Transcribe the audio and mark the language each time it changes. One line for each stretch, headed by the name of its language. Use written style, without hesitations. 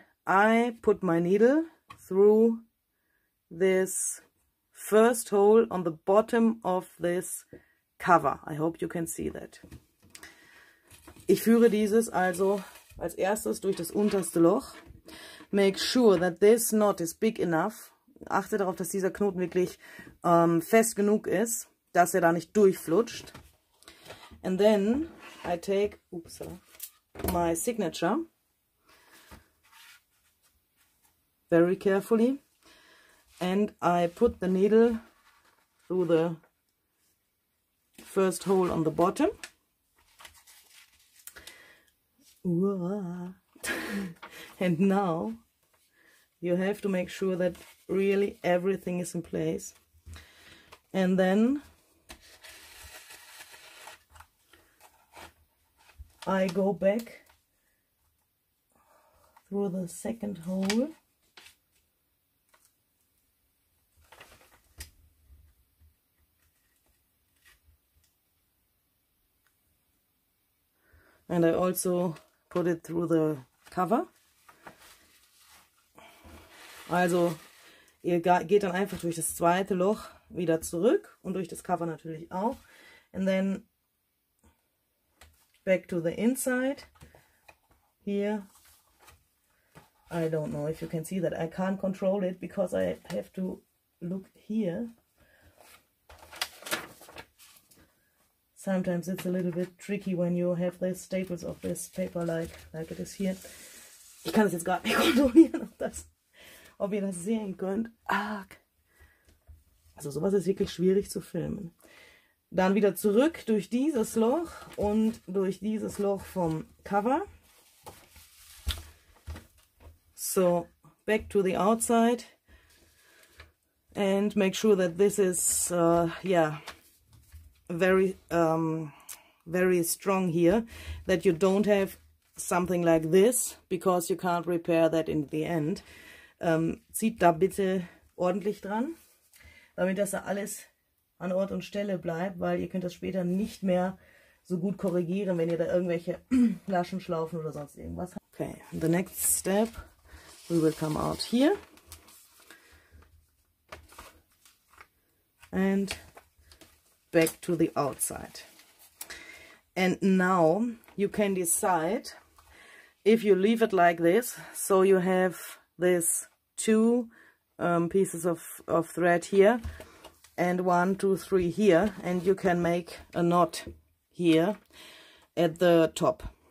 English: I put my needle through this first hole on the bottom of this cover. I hope you can see that.
German: Ich führe dieses also als erstes durch das unterste Loch.
English: Make sure that this knot is big enough.
German: Achte darauf, dass dieser Knoten wirklich fest genug ist, dass er da nicht durchflutscht.
English: And then I take my signature very carefully and I put the needle through the first hole on the bottom. And now you have to make sure that really everything is in place. And then I go back through the second hole. And I also put it through the cover.
German: Also, ihr geht dann einfach durch das zweite Loch wieder zurück und durch das Cover natürlich auch.
English: And then back to the inside. Here. I don't know if you can see that. I can't control it because I have to look here. Sometimes it's a little bit tricky when you have the staples of this paper like it is here.
German: Ich kann es jetzt gar nicht kontrollieren, ob ihr das sehen könnt. Ach. Also sowas ist wirklich schwierig zu filmen. Dann wieder zurück durch dieses Loch und durch dieses Loch vom Cover.
English: So, back to the outside. And make sure that this is, very very strong here, that you don't have something like this, because you can't repair that in the end.
German: Zieht da bitte ordentlich dran, damit das da alles an Ort und Stelle bleibt, weil ihr könnt das später nicht mehr so gut korrigieren, wenn ihr da irgendwelche Flaschenschlaufen oder sonst irgendwas habt.
English: Okay, the next step, we will come out here and back to the outside. And now you can decide if you leave it like this, so you have this two pieces of thread here and 1, 2, 3 here, and you can make a knot here at the top.